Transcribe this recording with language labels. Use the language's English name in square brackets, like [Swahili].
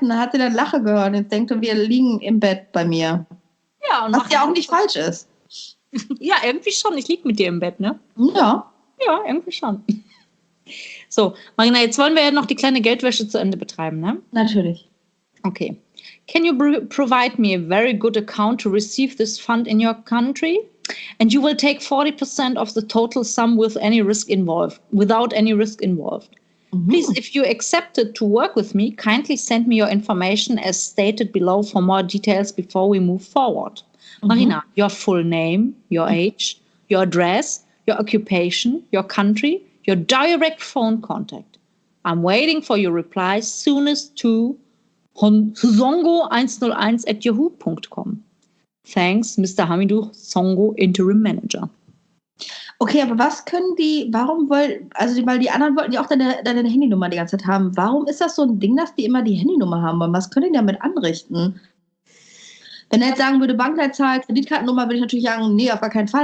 [German] Und dann hat sie dann Lache gehört und denkt, wir liegen im Bett bei mir. Ja, und was ja auch nicht falsch ist. Ja, irgendwie schon. Ich liege mit dir im Bett, ne? Ja. Ja, irgendwie schon. So, Marina, jetzt wollen wir ja noch die kleine Geldwäsche zu Ende betreiben, ne? Natürlich. Okay. [English] Can you provide me a very good account to receive this fund in your country? And you will take 40% of the total sum with any risk involved, without any risk involved. Mm-hmm. Please, if you accepted to work with me, kindly send me your information as stated below for more details before we move forward. Mm-hmm. Marina, your full name, your age, your address, your occupation, your country, your direct phone contact. I'm waiting for your reply soonest to honzongo101@yahoo.com. Thanks, Mr. Hamidou Tsongo, Interim Manager. [German] Okay, aber was können die, warum wollen, also weil die anderen wollten ja auch deine Handynummer die ganze Zeit haben. Warum ist das so ein Ding, dass die immer die Handynummer haben wollen? Was können die damit anrichten? Wenn er jetzt sagen würde, Bankleitzahl, Kreditkartennummer, würde ich natürlich sagen, nee, auf gar keinen Fall.